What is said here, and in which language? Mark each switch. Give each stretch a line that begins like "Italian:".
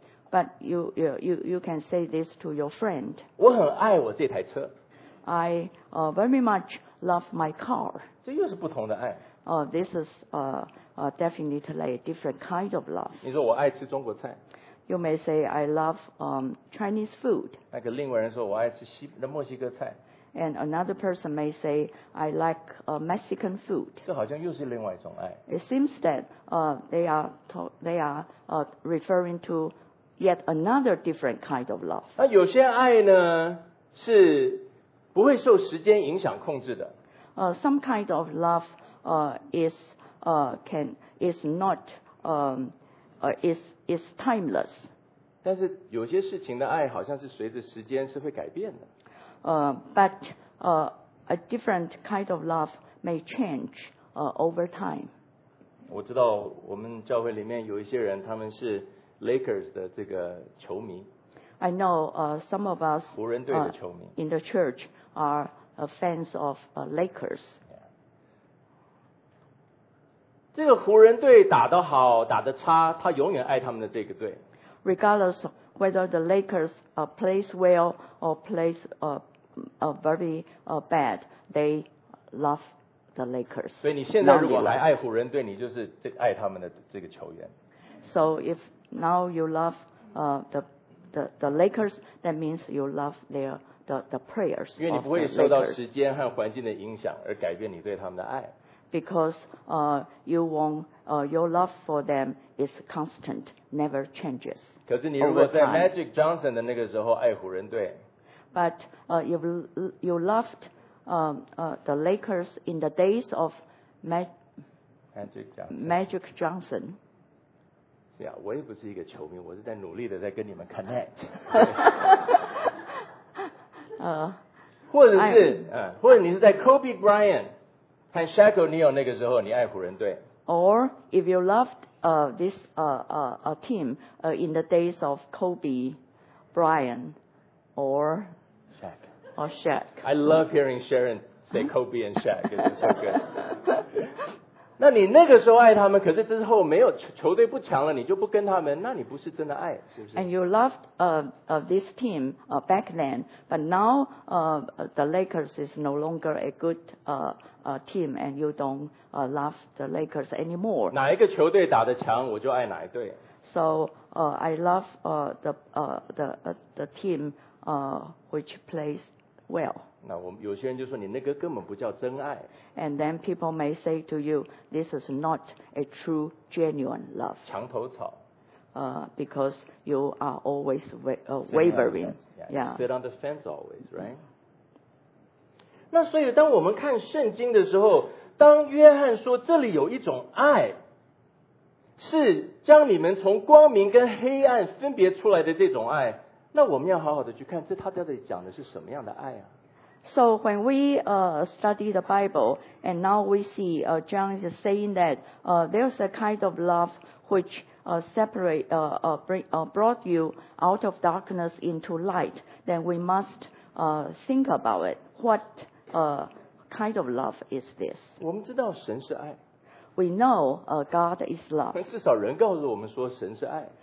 English: But you can say this to your friend.
Chinese: 我很爱我这台车。
English: I, very much love my car.
Chinese: 这又是不同的爱。
English: This is, definitely a different kind of love.
Chinese: 你说我爱吃中国菜。
English: You may say I love, Chinese food.
Chinese: 那个另外人说我爱吃西的墨西哥菜。
English: And another person may say I like, Mexican food.
Chinese: 这好像又是另外一种爱。
English: It seems that, they are referring to yet another different kind of love.
Chinese: 那有些爱呢是不会受时间影响控制的。
English: Some kind of love, is timeless.
Chinese: 但是有些事情的爱好像是随着时间是会改变的。
English: But, a different kind of love may change, over time.
Chinese: 我知道我们教会里面有一些人，他们是 Lakers 的这个球迷。
English: I know, some of us,
Chinese: 湖人队的球迷。
English: In the church. Are fans of Lakers.
Chinese: 这个湖人队打得好，打得差，他永远爱他们的这个队。
English: Regardless whether the Lakers plays well or plays very bad, they love the Lakers.
Chinese: 所以你现在如果来爱湖人队，你就是爱他们的这个球员。
English: So if now you love the Lakers, that means you love their. The prayers.
Chinese: 因为你不会受到时间和环境的影响而改变你对他们的爱。
English: Because, you won't, your love for them is constant, never changes.
Chinese: 可是你如果在 Magic Johnson 的那个时候爱湖人队。
English: But, you loved, the Lakers in the days of Magic Johnson.
Chinese: Yeah, 我也不是一个球迷，我是在努力的在跟你们 connect. 或者你是在 Kobe Bryant 和 Shaq O'Neal 那个时候，你爱湖人队。
English: Or if you loved this team in the days of Kobe Bryant or Shaq. Or Shaq. I love hearing Sharon say Kobe and Shaq. It's so good.
Chinese: 那你那个时候爱他们，可是之后没有球队不强了，你就不跟他们，那你不是真的爱，是不是
English: ？And you loved this team back then, but now the Lakers is no longer a good team, and you don't love the Lakers anymore.
Chinese: 哪一个球队打得强，我就爱哪一队。
English: So I love the team which plays well.
Chinese: 那我有些人就说你那个根本不叫真爱。
English: And then people may say to you, this is not a true, genuine love.
Chinese: 墙头草。
English: Because you are always wavering. Yeah. Sit on the fence always, right?
Chinese: 那所以当我们看圣经的时候，当约翰说这里有一种爱，是将你们从光明跟黑暗分别出来的这种爱，那我们要好好的去看，这他到底讲的是什么样的爱啊？
English: So when we study the Bible, and now we see John is saying that there's a kind of love which brought you out of darkness into light, then we must think about it. What kind of love is this?
Chinese: 我们知道神是爱。
English: We know God is love.
Chinese: 至少人告诉我们说神是爱。